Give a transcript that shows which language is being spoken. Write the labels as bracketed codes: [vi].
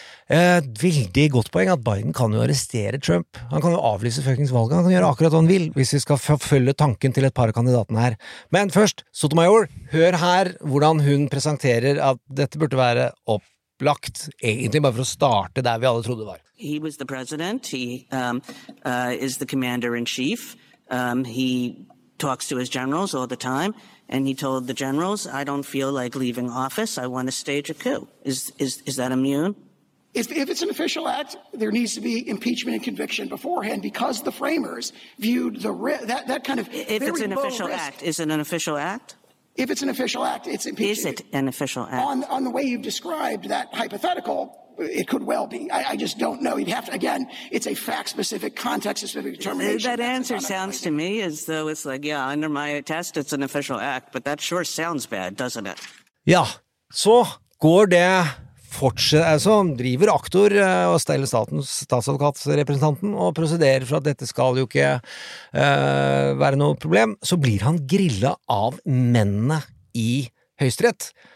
[no] Veldig godt poeng at Biden kan jo arrestere Trump. Han kan jo avlyse fuckingsvalget. Han kan gjøre akkurat hva han vil hvis vi skal følge tanken til et par av kandidatene her. Men først, Sotomayor, hør her hvordan hun presenterer at dette burde være opp opplagt, egentlig bare for å starte der vi alle trodde det var. [en] He was the president. He is the commander in chief. He talks to his generals all the time, and he told the generals, I don't feel like leaving office. I want to stage a coup. Is that immune? If it's an official act, there needs to be impeachment and conviction beforehand because the framers viewed the that kind of if it's an official act, is it an official act? If it's an official act, it's impeachment. Is it an official act? On the way you've described that hypothetical, it could well be. I just don't know. You'd have to, again, it's a fact-specific, context-specific determination. That answer sounds to me as though it's like, yeah, under my test, it's an official act, but that sure sounds bad, doesn't it? [no] Ja, så går det fortsatt, altså driver aktor og steller statens statsadvokatsrepresentanten og prosederer for at dette skal jo ikke være noe problem, så blir han grillet av mennene i høyesterett.